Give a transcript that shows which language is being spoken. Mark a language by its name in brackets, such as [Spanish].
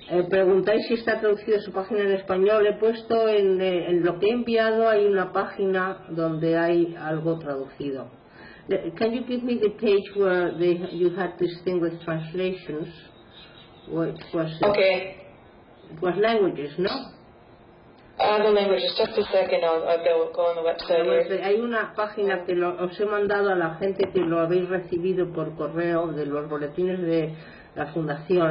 [Spanish] Preguntáis si está traducido su página en español. He puesto en lo que he enviado, hay una página donde hay algo traducido. [English] Can you give me the page where you had this thing with translations? What was it? Okay. It was languages, no? other languages. Just a second, I'll go on the website. [Spanish] Hay una página que os he mandado a la gente que lo habéis recibido por correo de los boletines de la fundación.